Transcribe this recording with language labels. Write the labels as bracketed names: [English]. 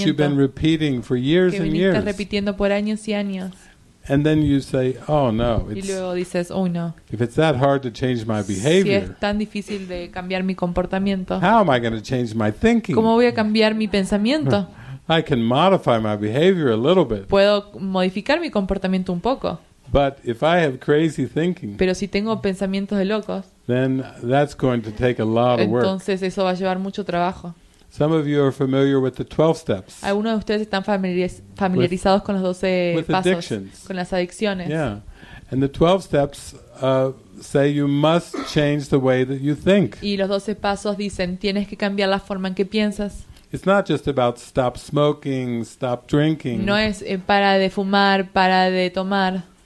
[English] That you've been repeating for years and years. [Spanish] Que viniste repitiendo por años y años. [English] And then you say, oh no, [Spanish] it's, y luego dices, oh no. [English] If it's that hard to change my behavior, [Spanish] si es tan difícil de cambiar mi comportamiento, [English] how am I going to change my thinking? [Spanish] ¿Cómo voy a cambiar mi pensamiento? [English] I can modify my behavior a little bit. [Spanish] Puedo modificar mi comportamiento un poco. [English] But if I have crazy thinking, [Spanish] pero si tengo pensamientos de locos, [English] then that's going to take a lot of work. [Spanish] Entonces eso va a llevar mucho trabajo. [English] Some of you are familiar with the 12 steps. [Spanish] Algunos de ustedes están familiarizados con los 12 pasos, [English] addictions. [Spanish] Con las adicciones. [English] Yeah. And the 12 steps say you must change the way that you think. [Spanish] Y los 12 pasos dicen tienes que cambiar la forma en que piensas. [English] It's not just about stop smoking, stop drinking. [Spanish] No es para de fumar, para de tomar.